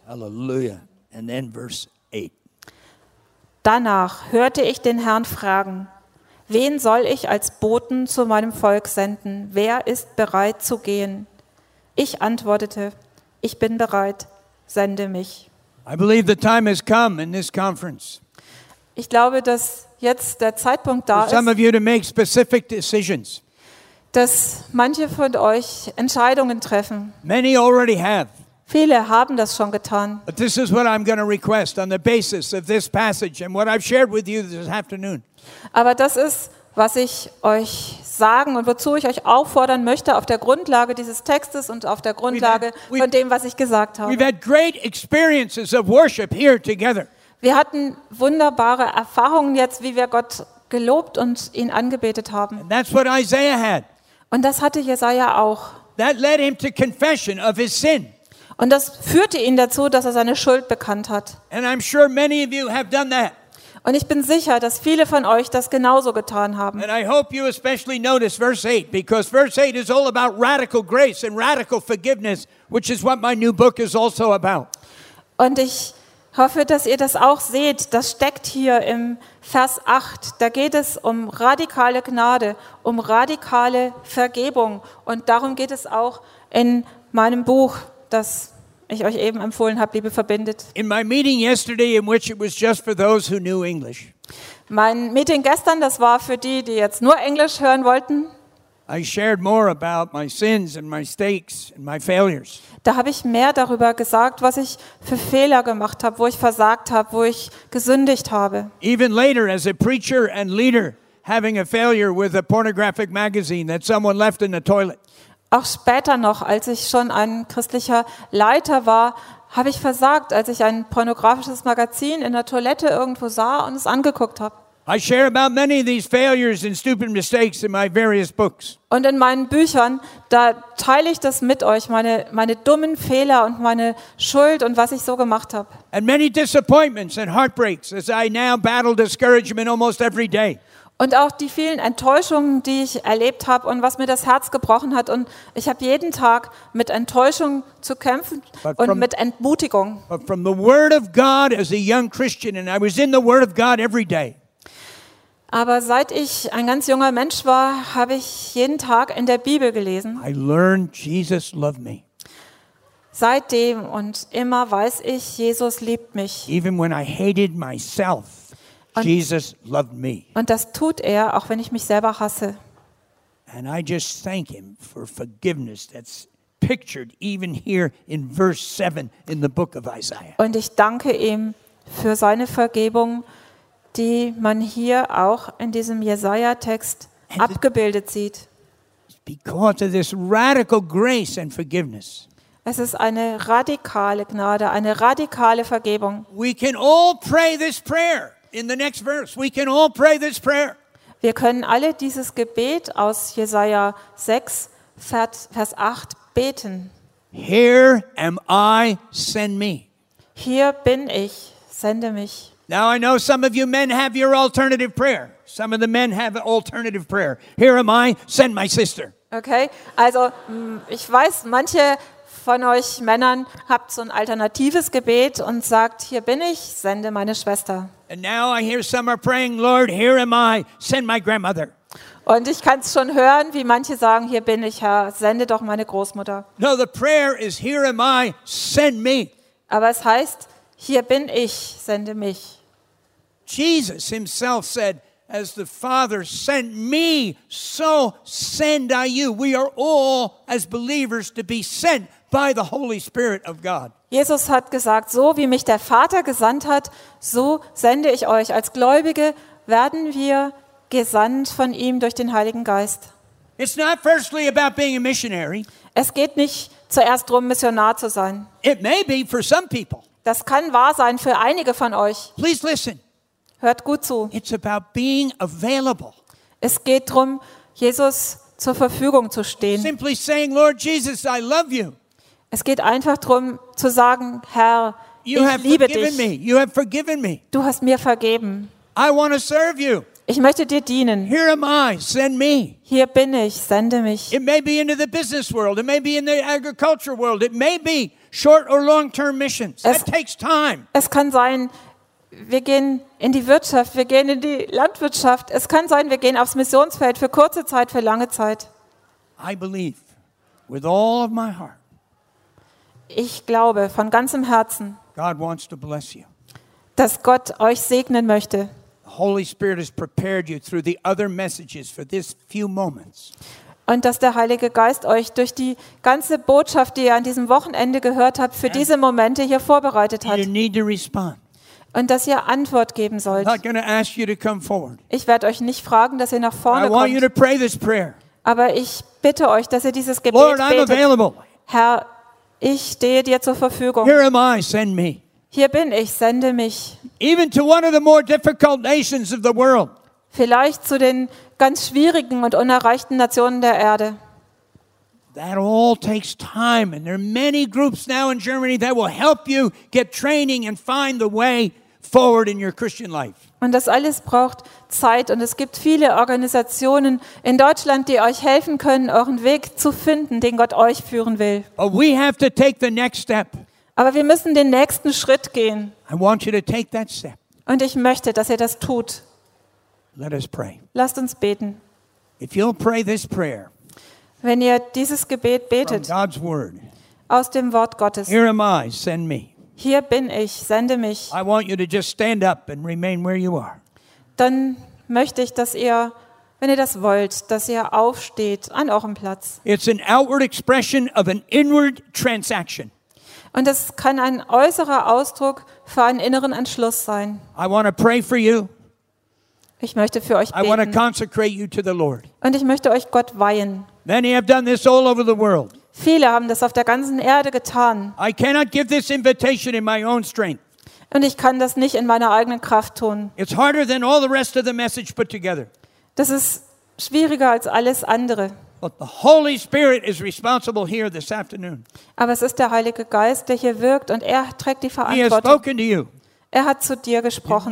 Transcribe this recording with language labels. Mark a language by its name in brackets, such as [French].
[English] Halleluja. And then verse 8. [German] Danach hörte ich den Herrn fragen: Wen soll ich als Boten zu meinem Volk senden? Wer ist bereit zu gehen? Ich antwortete: Ich bin bereit, sende mich. [English] I believe the time has come in this conference. [German] Ich glaube, dass jetzt der Zeitpunkt da ist, [English] some of you to make specific decisions. [German] Dass manche von euch Entscheidungen treffen. [English] Many already have. [German] Viele haben das schon getan. [English] But this is what I'm going to request on the basis of this passage and what I've shared with you this afternoon. [German] Aber das ist, was ich euch sagen und wozu ich euch auffordern möchte auf der Grundlage dieses Textes und auf der Grundlage von dem, was ich gesagt habe. [English] We've had great experiences of worship here together. [German] Wir hatten wunderbare Erfahrungen jetzt, wie wir Gott gelobt und ihn angebetet haben. [English] And that's what Isaiah had. [German] Und das hatte Jesaja auch. [English] That led him to confession of his sin. [German] Und das führte ihn dazu, dass er seine Schuld bekannt hat. [English] And I'm sure many of you have done that. [German] Und ich bin sicher, dass viele von euch das genauso getan haben. [English] And I hope you especially notice verse 8, because verse 8 is all about radical grace and radical forgiveness, which is what my new book is also about. [German] Und ich hoffe, dass ihr das auch seht. Das steckt hier im Vers 8. Da geht es um radikale Gnade, um radikale Vergebung. Und darum geht es auch in meinem Buch, das ich euch eben empfohlen habe, Liebe verbindet. [English] In my meeting yesterday, in which it was just for those who knew English. [German] Mein Meeting gestern, das war für die, die jetzt nur Englisch hören wollten. [English] I shared more about my sins and my mistakes and my failures. [German] Da habe ich mehr darüber gesagt, was ich für Fehler gemacht habe, wo ich versagt habe, wo ich gesündigt habe. [English] Even later, as a preacher and leader, having a failure with a pornographic magazine that someone left in the toilet. [German] Auch später noch, als ich schon ein christlicher Leiter war, habe ich versagt, als ich ein pornografisches Magazin in der Toilette irgendwo sah und es angeguckt habe. [English] I share about many of these failures and stupid mistakes in my various books. [German] Und in meinen Büchern, da teile ich das mit euch, meine dummen Fehler und meine Schuld und was ich so gemacht habe. [English] And many disappointments and heartbreaks as I now battle discouragement almost every day. [German] Und auch die vielen Enttäuschungen, die ich erlebt habe und was mir das Herz gebrochen hat. Und ich habe jeden Tag mit Enttäuschung zu kämpfen und mit Entmutigung. [English] But from the Word of God as a young Christian, and I was in the Word of God every day. [German] Aber seit ich ein ganz junger Mensch war, habe ich jeden Tag in der Bibel gelesen. [English] I learned Jesus loved me. [German] Seitdem und immer weiß ich, Jesus liebt mich. [English] Even when I hated myself, und, Jesus loved me. [German] Und das tut er, auch wenn ich mich selber hasse. [English] And I just thank him for forgiveness that's pictured even here in verse 7 in the book of Isaiah. [German] Und ich danke ihm für seine Vergebung, die man hier auch in diesem Jesaja-Text abgebildet sieht. [English] Because of this radical grace and forgiveness. [German] Es ist eine radikale Gnade, eine radikale Vergebung. [English] We can all pray this prayer in the next verse. We can all pray this prayer. [German] Wir können alle dieses Gebet aus Jesaja 6, Vers 8 beten. [English] Here am I, send me. [German] Hier bin ich, sende mich. [English] Now I know some of you men have your alternative prayer. Some of the men have an alternative prayer. Here am I, send my sister. [German] Okay, also ich weiß, manche von euch Männern habt so ein alternatives Gebet und sagt, hier bin ich, sende meine Schwester. [English] And now I hear some are praying, Lord, here am I, send my grandmother. [German] Und ich kann es schon hören, wie manche sagen, hier bin ich, Herr, sende doch meine Großmutter. [English] No, the prayer is, here am I, send me. [German] Aber es heißt, hier bin ich, sende mich. [English] Jesus himself said, as the Father sent me, so send I you. We are all, as believers, to be sent by the Holy Spirit of God. [German] Jesus hat gesagt, so wie mich der Vater gesandt hat, so sende ich euch. Als Gläubige werden wir gesandt von ihm durch den Heiligen Geist. [English] It's not firstly about being a missionary. [German] Es geht nicht zuerst darum, Missionar zu sein. [English] It may be for some people. [German] Das kann wahr sein für einige von euch. [English] Please listen. [German] Hört gut zu. [English] It's about being available. [German] Es geht darum, Jesus zur Verfügung zu stehen. [English] Simply saying, Lord Jesus, I love you. [German] Es geht einfach darum zu sagen, Herr, [English] you [German] ich [English] have [German] liebe [English] forgiven Me. You have forgiven me. [German] Du hast mir vergeben. [English] I want to serve you. [German] Ich möchte dir dienen. [English] Here am I. Send me. [German] Hier bin ich, sende mich. [English] It may be into the business world. It may be in the agriculture world. It may be short or long-term missions. [German] Es, [English] that takes time. [German] Es kann sein, wir gehen in die Wirtschaft, wir gehen in die Landwirtschaft. Es kann sein, wir gehen aufs Missionsfeld für kurze Zeit, für lange Zeit. [English] I believe with all of my heart. [German] Ich glaube von ganzem Herzen, [English] God wants to bless you. [German] Dass Gott euch segnen möchte. [English] The Holy Spirit has prepared you through the other messages for this few moments. [German] Und dass der Heilige Geist euch durch die ganze Botschaft, die ihr an diesem Wochenende gehört habt, für diese Momente hier vorbereitet hat. [English] You need to respond. [German] Und dass ihr Antwort geben sollt. [English] I'm not going to ask you to come forward. [German] Ich werde euch nicht fragen, dass ihr nach vorne kommt. [English] I want you to pray this prayer. [German] Aber ich bitte euch, dass ihr dieses Gebet [English] Lord, [German] betet. [English] I'm available. [German] Herr, ich stehe dir zur Verfügung. [English] Here am I, send me. [German] Hier bin ich, sende mich. [English] Even to one of the more difficult nations of the world. [German] Vielleicht zu den ganz schwierigen und unerreichten Nationen der Erde. [English] That all takes time, and there are many groups now in Germany that will help you get training and find the way forward in your Christian life. [German] Und das alles braucht Zeit, und es gibt viele Organisationen in Deutschland, die euch helfen können, euren Weg zu finden, den Gott euch führen will. [English] But we have to take the next step. [German] Aber wir müssen den nächsten Schritt gehen. [English] I want you to take that step. [German] Und ich möchte, dass ihr das tut. [English] Let us pray. [German] Lasst uns beten. [English] If you'll pray this prayer, [German] wenn ihr dieses Gebet betet, [English] from God's word, [German] aus dem Wort Gottes, [English] here am I, send me. [German] Hier bin ich, sende mich. [English] I want you to just stand up and remain where you are. [German] Dann möchte ich, dass ihr, wenn ihr das wollt, dass ihr aufsteht an eurem Platz. [English] It's an outward expression of an inward transaction. [German] Und es kann ein äußerer Ausdruck für einen inneren Entschluss sein. [English] I want to pray for you. [German] Ich möchte für euch beten. [English] I want to consecrate you to the Lord. [German] Und ich möchte euch Gott weihen. [English] Many have done this all over the world. [German] Viele haben das auf der ganzen Erde getan. [English] I cannot give this invitation in my own strength. [German] Und ich kann das nicht in meiner eigenen Kraft tun. [English] It's harder than all the rest of the message put together. [German] Das ist schwieriger als alles andere. [English] But the Holy Spirit is responsible here this afternoon. [German] Aber es ist der Heilige Geist, der hier wirkt, und er trägt die Verantwortung. [English] He has spoken to you. [German] Er hat zu dir gesprochen.